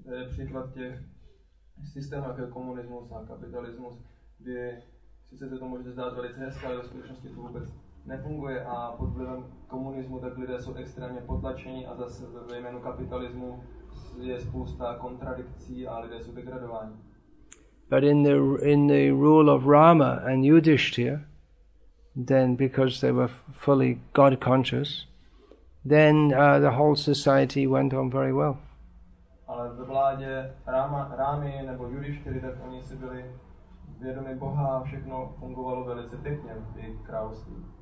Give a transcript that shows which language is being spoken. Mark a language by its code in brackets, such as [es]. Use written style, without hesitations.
[cs] Příklad těch systémů, jako komunismus a kapitalismus, kdy sice se to může zdát velice hezké, ale ve skutečnosti to vůbec nefunguje a pod vlivem komunismu tak lidé jsou extrémně potlačení a zase ve jménu kapitalismu je spousta kontradikcí a lidé jsou degradováni. [en] But in the rule of Rama and Yudhishthira, then because they were fully God conscious, then the whole society went on very well. [cs] Ale ve vládě Rámy nebo Yudhishthiry, tak oni si byli vědomí Boha všechno fungovalo velice pěkně v jejich království.